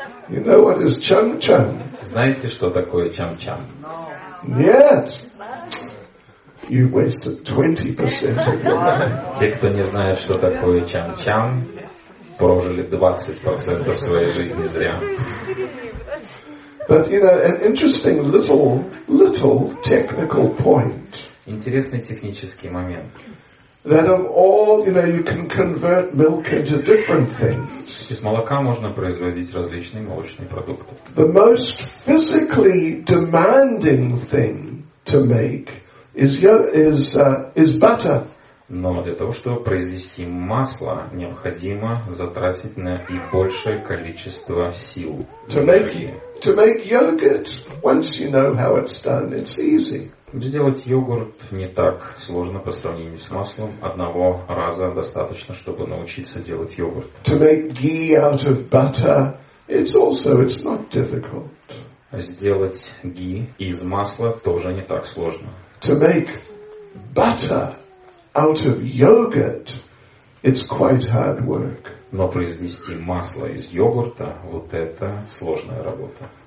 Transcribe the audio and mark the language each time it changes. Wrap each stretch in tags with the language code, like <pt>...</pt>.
<en>You know what is чам-чам?</en> <ru>Знаете, что такое чам-чам? Нет.</ru> <en>You've wasted 20% of your life.</en> <ru>Те, кто не знает, что такое чам-чам, прожили 20% своей жизни зря.</ru> <en>But you know, an interesting little technical point.</en> <ru>Интересный технический момент.</ru> <en>That of all, you know, you can convert milk into different things.</en> <ru>Из молока можно производить различные молочные продукты.</ru> <en>The most physically demanding thing to make is butter.</en> <ru>Но для того, чтобы произвести масло, необходимо затратить на и большее количество сил.</ru> <en>To make yogurt, once you know how it's done, it's easy.</en> <ru>Сделать йогурт не так сложно по сравнению с маслом. Одного раза достаточно, чтобы научиться делать йогурт.</ru> <en>To make ghee out of butter, it's not difficult.</en> <ru>Сделать ги из масла тоже не так сложно.</ru> <en>To make butter out of yogurt, it's quite hard work.</en> <ru>Но произвести масло из йогурта, вот это сложная работа.</ru>